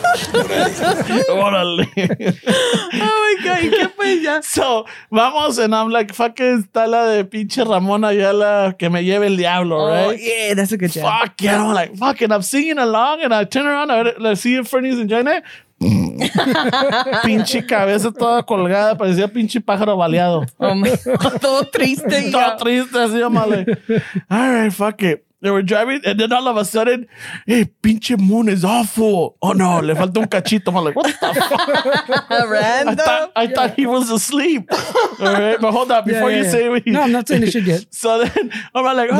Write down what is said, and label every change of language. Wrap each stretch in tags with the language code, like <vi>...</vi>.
<en>Oh my God.</en> <es>¿Qué fue ya?</es> <en>So,</en> <es>vamos,</es> <en>and I'm like, fuck,</en> <es>está la de pinche Ramón. Ayala, que me lleve el diablo, right?</es> <en>Oh, yeah, that's a good job. Fuck, yeah. I'm like, fuck, and I'm singing along, and I turn around, I see if Fernie's enjoying it.</en> <es>Pinche cabeza toda colgada, parecía pinche pájaro baleado. Todo triste. Todo triste, así,</es> <en>I'm like, all right, fuck it. They were driving, and then all of a sudden, hey, pinche moon is awful. Oh, no,</en> <es>le falta un cachito.</es> <en>I'm like, what the fuck? Random? I thought he was asleep. All right, but hold on. Before you say it. No, I'm not saying it should yet. So then, I'm like, all</en>